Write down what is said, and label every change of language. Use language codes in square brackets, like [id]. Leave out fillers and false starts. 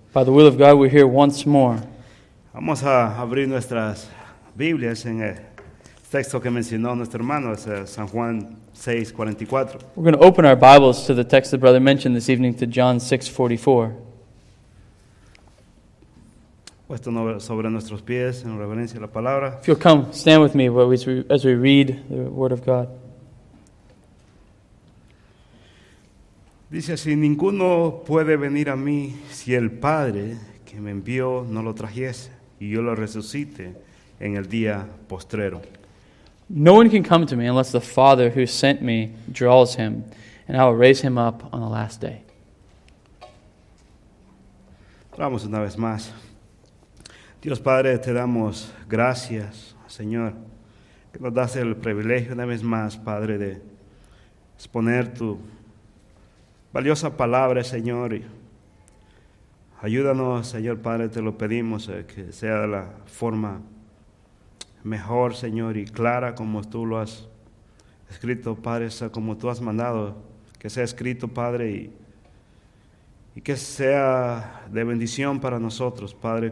[en] By the will of God, we're here once more. [es] Vamos a abrir nuestras Biblias en el texto que mencionó nuestro hermano, es San Juan 6:44. [en] We're going to open our Bibles to the text the brother mentioned this evening, to John 6:44. [es] Puesto sobre nuestros pies en reverencia a la palabra. [en] If you'll come, stand with me as we read the Word of God. [es] Dice así: ninguno puede venir a mí si el Padre que me envió no lo trajese, y yo lo resucite en el día postrero. [en] No one can come to me unless the Father who sent me draws him, and I will raise him up on the last day. [es] Oramos una vez más. Dios Padre, te damos gracias, Señor, que nos das el privilegio una vez más, Padre, de exponer tu valiosa palabra, Señor. Ayúdanos, Señor Padre, te lo pedimos, que sea de la forma mejor, Señor, y clara como tú lo has escrito, Padre, como tú has mandado, que sea escrito, Padre, y que sea de bendición para nosotros, Padre.